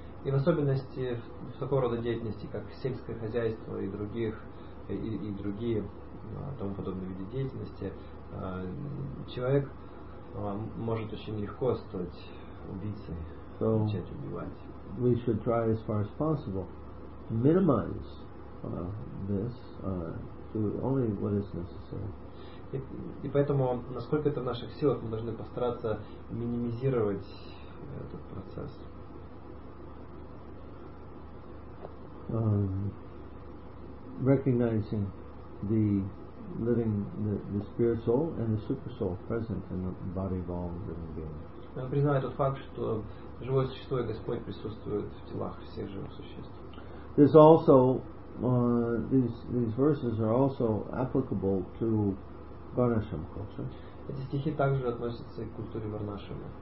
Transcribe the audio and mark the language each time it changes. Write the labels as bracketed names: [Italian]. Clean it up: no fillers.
[Russian] И в особенности в такого рода деятельности, как сельское хозяйство и других и другие тому подобные виды деятельности, человек может очень легко стать убийцей, [English] so [Russian] начать убивать. [English] We should try as far as possible to minimize this to only what is necessary. [Russian] И поэтому, насколько это в наших силах, мы должны постараться минимизировать этот процесс. [English] Recognizing the living, the spirit soul and the super soul present in the body of all living beings. [Russian] Он признает тот факт, что живое существо и Господь присутствуют в телах всех живых существ. [English] There's also these verses are also applicable to Varnashram culture. [Russian] Эти стихи также относятся к культуре Варнашрама.